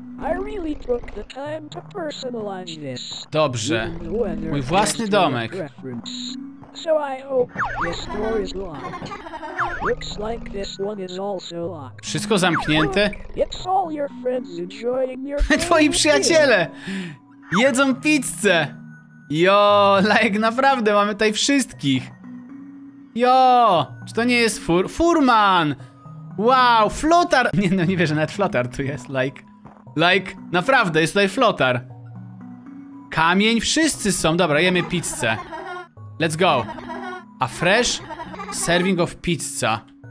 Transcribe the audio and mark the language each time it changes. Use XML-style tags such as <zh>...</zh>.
<en>I really took the time to personalize this.</en> <pl>Dobrze. Mój własny domek.</pl> <en>So I hope this door is locked. Looks like this one is also locked.</en> <pl>Wszystko zamknięte?</pl> <en>It's all your friends enjoying your food.</en> <pl>Twoi przyjaciele jedzą pizzę.</pl> <en>Yo, like</en> <pl>naprawdę mamy tutaj wszystkich. Yo, czy to nie jest furman? Wow, flotar. Nie, no nie wierzę, nawet flotar tu jest, like. Like, naprawdę, jest tutaj flotar. Kamień, wszyscy są. Dobra, jemy pizzę.</pl> <en>Let's go. A fresh serving of pizza.</en>